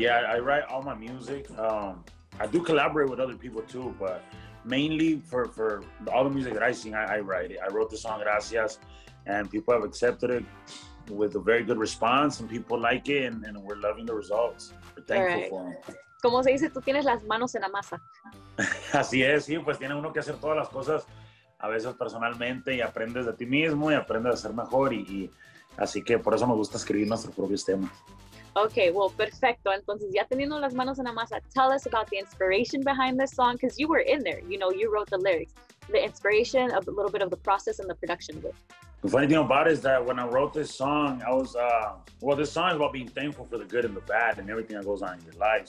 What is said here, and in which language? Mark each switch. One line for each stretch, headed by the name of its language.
English: Yeah, I write all my music. I do collaborate with other people too, but mainly for all the music that I sing, I write it. I wrote the song Gracias, and people have accepted it with a very good response, and people like it, and we're loving the results. We're thankful right. for them.
Spanish: Como se dice, tú tienes las manos en la masa. Así es, sí, pues tiene uno que hacer todas las cosas, a veces personalmente, y aprendes de ti mismo, y aprendes a ser mejor, y así que por eso nos gusta escribir nuestros propios temas.
English: Okay, well, perfecto.
Spanish: Entonces, ya teniendo las manos en la masa,
English: tell us about the inspiration behind this song, because you were in there, you know, you wrote the lyrics. The inspiration of a little bit of the process and the production of it. The funny thing about it is that when I wrote this song, I was, this song is about being thankful for the good and the bad and everything that goes on in your life.